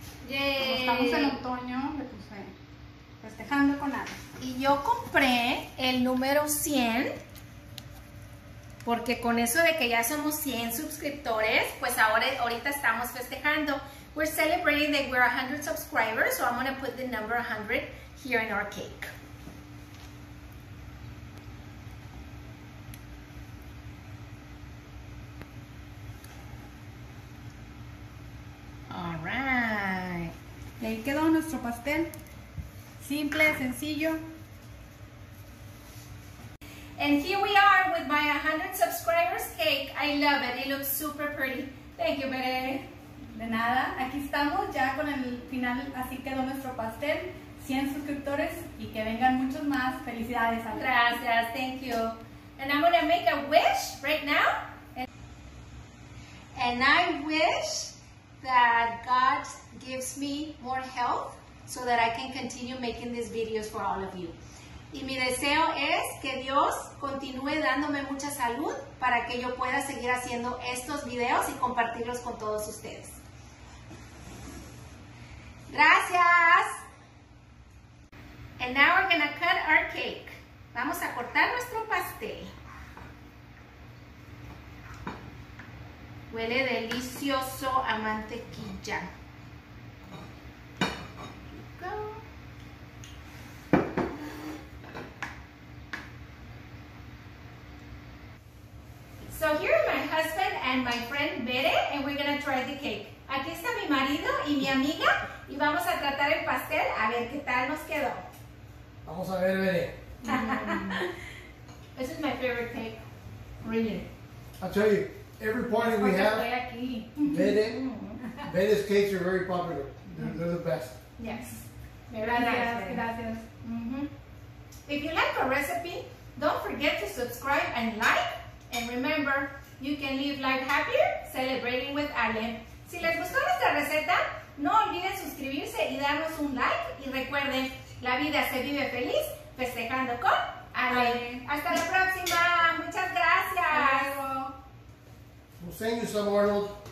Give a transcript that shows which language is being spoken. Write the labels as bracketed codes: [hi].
[es] Yay. Como estamos en otoño, le puse festejando con algo. Y yo compré el número 100. Porque con eso de que ya somos 100 suscriptores, pues ahora ahorita estamos festejando. [en] We're celebrating that we're 100 subscribers, so I'm going to put the number 100 here in our cake. All right. [es] Y ahí quedó nuestro pastel. Simple, sencillo. [en] And here we are with my 100 subscribers cake. I love it. It looks super pretty. Thank you, Bere. [es] De nada. Aquí estamos ya con el final. Así quedó nuestro pastel. 100 suscriptores y que vengan muchos más. Felicidades, Ale. Gracias. [en] Thank you. And I'm going to make a wish right now. And I wish that God gives me more health so that I can continue making these videos for all of you. [es] Y mi deseo es que Dios continúe dándome mucha salud para que yo pueda seguir haciendo estos videos y compartirlos con todos ustedes. ¡Gracias! [en] And now we're gonna cut our cake. [es] Vamos a cortar nuestro pastel. Huele delicioso a mantequilla. [en] So here are my husband and my friend Bere, and we're gonna try the cake. [es] Aquí está mi marido y mi amiga, y vamos a tratar el pastel a ver qué tal nos quedó. Vamos a ver, Bere. [en] This is my favorite cake. Really. I'll tell you, every party we have, Bere's cakes are very popular. They're the best. Yes. [es] Gracias. [en] If you like our recipe, don't forget to subscribe and like. And remember, you can live life happier celebrating with Ale. [es] Si les gustó nuestra receta, no olviden suscribirse y darnos un like. Y recuerden, la vida se vive feliz festejando con Ale. Ale. Hasta la próxima. Muchas gracias. [en] We'll send you some, Arnold.